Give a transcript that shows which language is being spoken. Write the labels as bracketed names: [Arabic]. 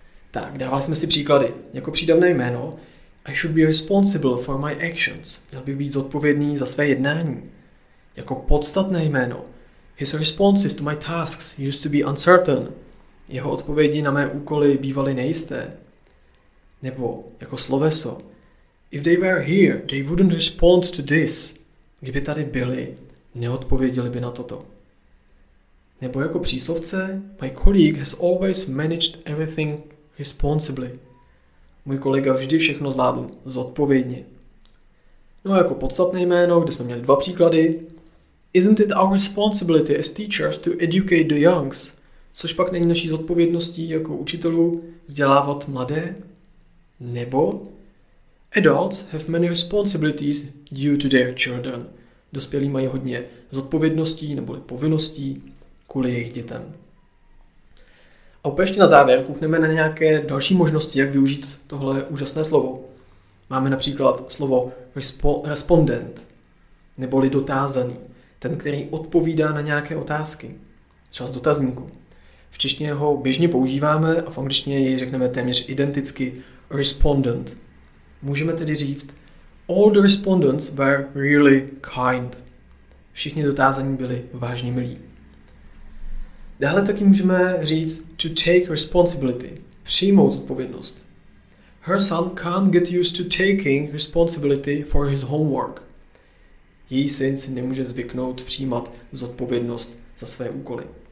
[Czech] Tak, dávali jsme si příklady. Jako přídavné jméno, [English] I should be responsible for my actions. [Czech] Měl bych být zodpovědný za své jednání. Jako podstatné jméno, [English] his responses to my tasks used to be uncertain. [Czech] Jeho odpovědi na mé úkoly bývaly nejisté. Nebo jako sloveso, [English] if they were here, they wouldn't respond to this. [Czech] Kdyby tady byli, neodpověděli by na toto. Nebo jako příslovce, [English] my colleague has always managed everything responsibly. [Czech] Můj kolega vždy všechno zvládl zodpovědně. No a jako podstatné jméno, kde jsme měli dva příklady, [English] isn't it our responsibility as teachers to educate the youngs? [Czech] Což pak není naší zodpovědností jako učitelů vzdělávat mladé? Nebo [English] adults have many responsibilities due to their children. [Czech] Dospělí mají hodně zodpovědností neboli povinností kvůli jejich dětem. A úplně ještě na závěr koukneme na nějaké další možnosti, jak využít tohle úžasné slovo. Máme například slovo respondent, neboli dotázaný. Ten, který odpovídá na nějaké otázky. Třeba z dotazníku. V češtině ho běžně používáme a v angličtině jej řekneme téměř identicky respondent. Můžeme tedy říct, [English] all the respondents were really kind. [Czech] Všichni dotázaní byli vážně milí. Dále taky můžeme říct [English] to take responsibility, [Czech] přijmout odpovědnost. [English] Her son can't get used to taking responsibility for his homework. [Czech] Její syn si nemůže zvyknout přijímat zodpovědnost za své úkoly.